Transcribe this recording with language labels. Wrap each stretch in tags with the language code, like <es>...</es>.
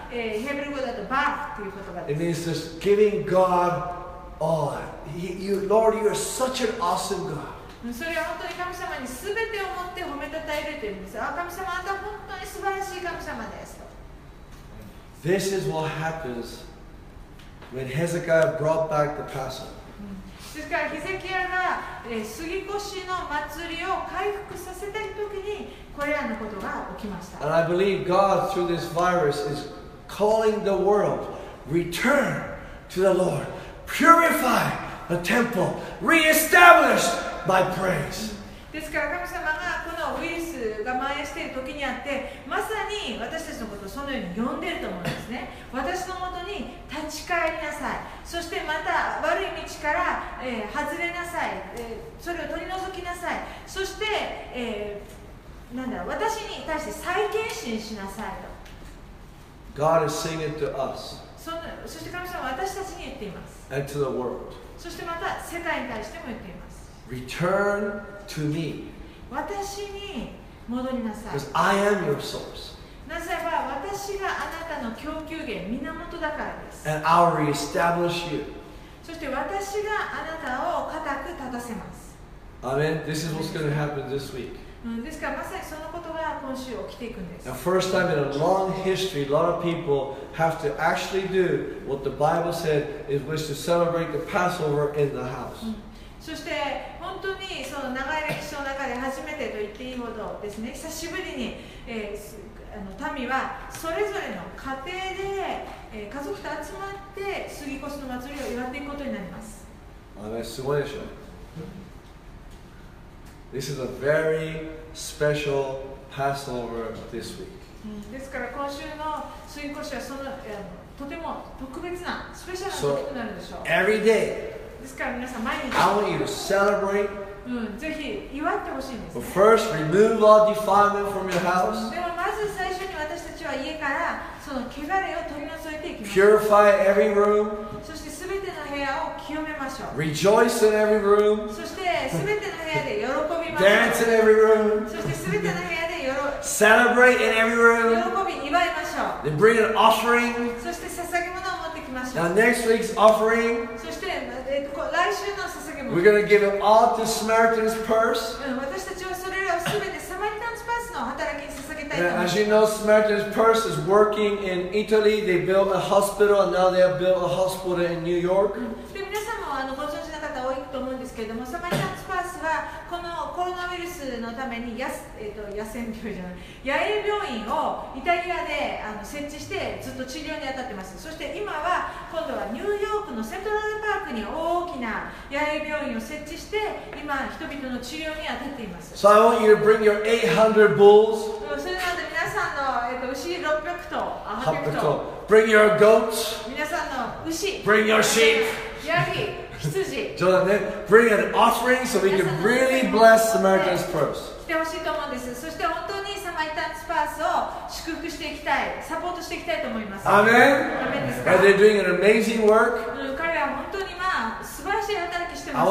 <en>It means just giving God all. You, Lord, you are such an awesome God.</en> <ja>それは本当に神様にすべてを持って褒めたたえるというんです。あ、神様、あなたは本当に素晴らしい神様です。</ja> <en>This is what happens when Hezekiah brought back the Passover.</en> <ja>ですからヒゼキヤが杉越の祭りを回復させたい時にこれらのことが起きました。</ja> <en>And I believe God through this virus is calling the world return to the Lord, purify the temple, reestablish my praise.</en> <ja>ですから神様がこのウイルスが蔓延している時にあってまさに私たちのことをそのように呼んでいると思うんですね。私のもとに立ち返りなさい、そしてまた悪い道から、外れなさい、それを取り除きなさい、そして、なんだろう、私に対して再献身しなさいと。</ja> <en>God is saying it to us.</en> <ja>そして神様は私たちに言っています。</ja> <en>And to the world.</en> <ja>そしてまた世界に対しても言っています。</ja> <en>Return to me.</en> <ja>私に戻りなさい。</ja> <en>Because I am your source.</en> <ja>なぜば私があなたの供給源、源だからです。</ja> <en>And I'll reestablish you.</en> <ja>そして私があなたを固く立たせます。</ja> <en>Amen. This is what's going to happen this week.</en> <ja>ですからまさにそのことが今週起きていくんです。</ja> <en>The first time in a long history, a lot of people have to actually do what the Bible said is wish to celebrate the Passover in the house.</en> <ja>そして本当にその長い歴史の中で初めてと言っていいほどですね、久しぶりに、民はそれぞれの家庭で、家族と集まって杉越の祭りを祝っていくことになります。あれすごいでしょ。</ja> <en>This is a very special Passover this week.</en> <ja>ですから今週の杉越はその、とても特別なスペシャルな時となるでしょう。</ja> <en>So, every day.</en> <ja>ですから皆さん毎日。</ja> <en>I want you to celebrate.</en> <ja>ぜひ祝ってほしいんです、ね。</ja> <en>But first, remove all defilement from your house.</en> <ja>でもまず最初に私たちは家からその汚れを取り除いていきます。</ja> <en>Purify every room.</en> <ja>そして全ての部屋を清めましょう。</ja> <en>Rejoice in every room.</en> <ja>そして全ての部屋で喜びましょう。</ja> <en>Dance in every room.</en> <ja>そして全ての部屋で</ja> <en>Celebrate in every room.</en> <ja>喜び祝いましょう。</ja> <en>Then bring an offering.</en> <ja>そして捧げ物を持ってきましょう。</ja> <en>Now next week's offering.</en> <ja>そして来週の捧げ物。</ja> <en>We're gonna give it all to Samaritan's purse.</en> <ja>私たちはそれらをすべてサマリタンスパースの働きに捧げたいと思います。</ja> <en>As you know, Samaritan's purse is working in Italy. They built a hospital, and now they have built a hospital in New York.</en> <ja>で皆さんもご存知の方多いと思うんですけれども、サマリタンスパースはこのコロナウイルスのために野戦病院じゃない、野営病院をイタリアで設置してずっと治療に当たってます。そして今は今度はニューヨークのセントラルパークに大きな野営病院を設置して今人々の治療に当たっています。</ja> <en>So I want you to bring your 800 bulls.</en> <ja>それなので皆さんの牛600頭、800頭。</ja> <en>Bring your goats.</en> <ja>皆さんの牛。</ja> <en>Bring your sheep.</en> <ja>ヤギ、羊。冗談ね。</ja> <en>Bring an offering so we can really bless Samaritan's purse.</en> <ja>来てほしいと思うんです。そして本当にサマリタンスパースを祝福していきたい、サポートしていきたいと思います。</ja> <en>Amen. Amen. Are they doing an amazing work?</en> <ja>彼は本当に素晴らしい働きしてます。</ja>